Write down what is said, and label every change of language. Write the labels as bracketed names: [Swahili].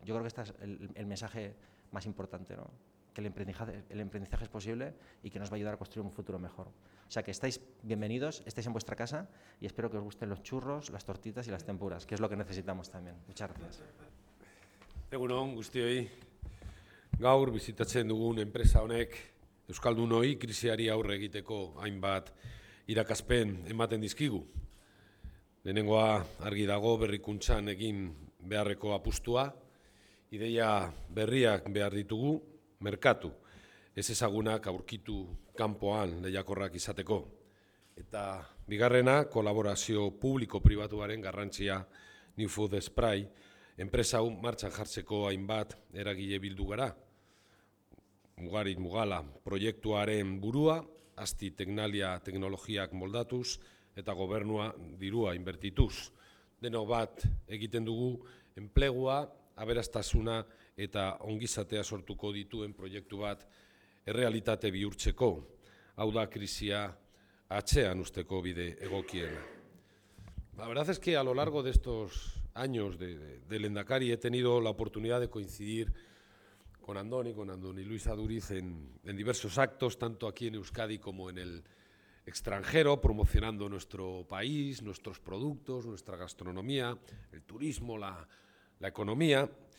[Spanish] Yo creo que este es el mensaje más importante, ¿no? Que el emprendizaje es posible y que nos va a ayudar a construir un futuro mejor. O sea, que estáis bienvenidos, estáis en vuestra casa y espero que os gusten los churros, las tortitas y las tempuras, que es lo que necesitamos también. Muchas gracias. [Basque] Egunon, guztioi. Gaur bizitatzen dugun enpresa honek euskaldunoi krisiari aurre egiteko hainbat irakaspen ematen dizkigu. Lehenengoa argi dago berrikuntzan egin beharreko apustua, ideia berriak behar ditugu merkatu, ez ezagunak aurkitu kanpoan lehiakorrak izateko. Eta bigarrena, kolaborazio publiko-pribatuaren garrantzia New Food Spray enpresa hau martxan jartzeko hainbat eragile bildu gara. Mugarit Mugala proiektuaren burua, ASTI Teknalia teknologiak moldatuz eta gobernua dirua inbertituz. Deno bat egiten dugu enplegua, aberastasuna eta ongizatea sortuko dituen proiektu bat errealitate bihurtzeko. Hau da krisia atzean usteko bide egokiena. [Spanish] La verdad es que a lo largo de estos años de Lehendakari he tenido la oportunidad de coincidir con Andoni, con Andoni Luis Aduriz, en diversos actos, tanto aquí en Euskadi como en el extranjero, promocionando nuestro país, nuestros productos, nuestra gastronomía, el turismo, la economía.